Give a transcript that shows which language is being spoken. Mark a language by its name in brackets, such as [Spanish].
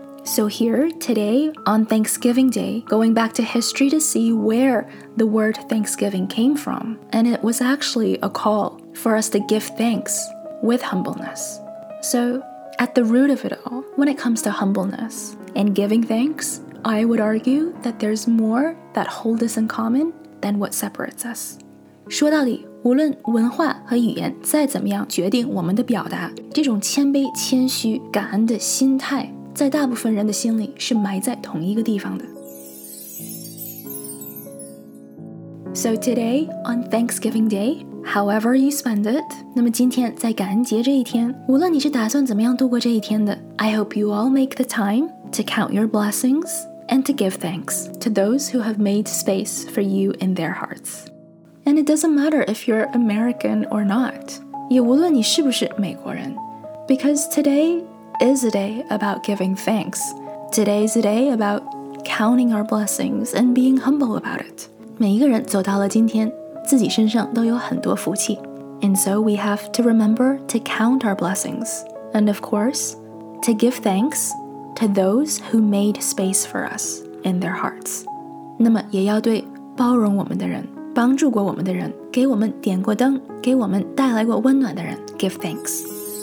[English] So here, today, on Thanksgiving Day, going back to history to see where the word Thanksgiving came from, and it was actually a call for us to give thanks with humbleness. So, at the root of it all, when it comes to humbleness and giving thanks, I would argue that there's more that holds us in common than what separates us. [Chinese] 说到底, 无论文化和语言再怎么样决定我们的表达,这种谦卑、谦虚、感恩的心态, 在大部分人的心里是埋在同一个地方的。So [English] today, on Thanksgiving Day, however you spend it, [Chinese] 那么今天在感恩节这一天, 无论你是打算怎么样度过这一天的, [English] I hope you all make the time to count your blessings and to give thanks to those who have made space for you in their hearts. And it doesn't matter if you're American or not, [Chinese] 也无论你是不是美国人, [English] because today is a day about giving thanks. Today is a day about counting our blessings and being humble about it. [Chinese] 每一个人走到了今天, 自己身上都有很多福气。 [English] And so we have to remember to count our blessings. And of course, to give thanks to those who made space for us in their hearts. [Chinese] 那么也要对包容我们的人, 帮助过我们的人, 给我们点过灯, 给我们带来过温暖的人, [English] give thanks.